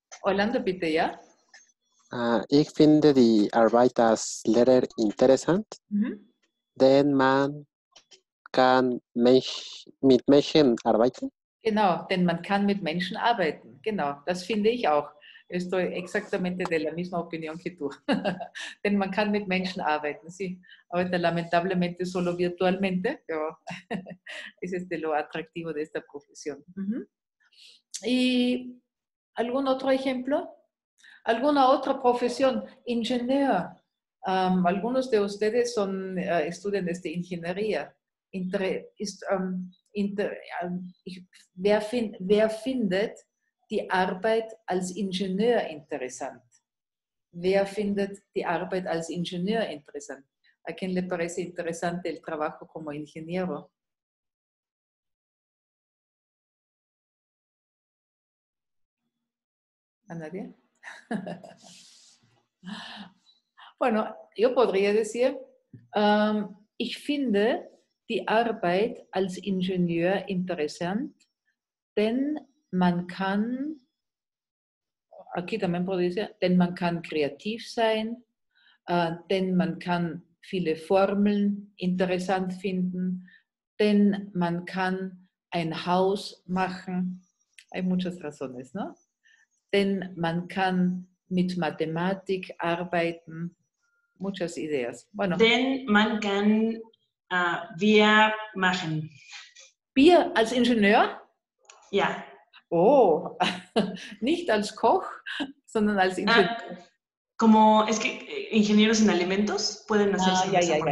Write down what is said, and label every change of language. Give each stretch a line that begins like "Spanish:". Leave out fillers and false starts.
German: Orlando, bitte, ja? Ich finde die Arbeit als Lehrer interessant, denn man kann mit Menschen arbeiten? Genau, denn man kann mit Menschen arbeiten. Genau, das finde ich auch.
Spanish: Estoy exactamente de la misma opinión que tú.
German: Denn man kann mit Menschen arbeiten.
Spanish: Sí, ahorita lamentablemente solo virtualmente, pero es lo atractivo de esta profesión. Uh-huh. ¿Y algún otro ejemplo? ¿Alguna otra profesión? Ingeniero. Algunos de ustedes son estudian ingeniería.
German: Wer findet die Arbeit als Ingenieur interessant? Wer findet die Arbeit als Ingenieur interessant?
Spanish: ¿A quién le parece interesante el trabajo como ingeniero? Mm-hmm. ¿A nadie? Bueno, yo podría decir,
German: ich finde die Arbeit als Ingenieur interessant, denn man kann,
Spanish: aquí también podría decir,
German: denn man kann kreativ sein, denn man kann viele Formeln interessant finden, denn man kann ein Haus machen.
Spanish: Hay muchas razones, ¿no?
German: Denn man kann mit Mathematik arbeiten.
Spanish: Muchas ideas. Bueno.
German: Denn man kann wir machen. Wir als Ingenieur? Ja. Oh, nicht als Koch, sondern als Ingenieur.
Spanish: Como es que ingenieros en alimentos pueden hacer cerveza,